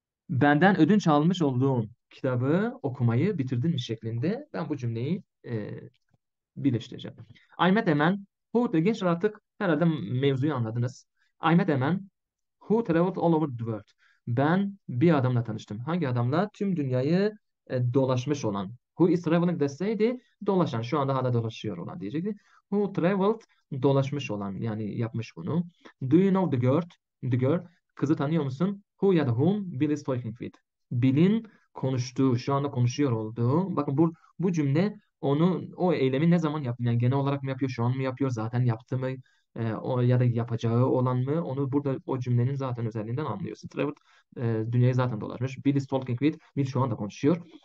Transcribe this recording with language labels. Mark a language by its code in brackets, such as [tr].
[tr] Benden ödünç almış olduğun kitabı okumayı bitirdin mi şeklinde ben bu cümleyi birleştireceğim. [en] I met a man who the [tr] gençler artık herhalde mevzuyu anladınız. [en] I met a man who traveled all over the world. [tr] Ben bir adamla tanıştım. Hangi adamla? Tüm dünyayı dolaşmış olan. [en] Who is traveling [tr] deseydi dolaşan. Şu anda hala dolaşıyor olan diyecekti. [en] Who traveled [tr] dolaşmış olan. Yani yapmış bunu. [en] Do you know the girl? The girl. [tr] Kızı tanıyor musun? [en] Who [tr] ya da [en] whom Bill is talking with? [tr] Bill'in konuştuğu, şu anda konuşuyor olduğu. Bakın bu cümle onun o eylemi ne zaman yapıyor? Yani genel olarak mı yapıyor? Şu an mı yapıyor? Zaten yaptı mı? O ya da yapacağı olan mı? Onu burada o cümlenin zaten özelliğinden anlıyorsun. Trevor dünyayı zaten dolaşmış. [en] Bill is talking with. [tr] Bill şu anda konuşuyor.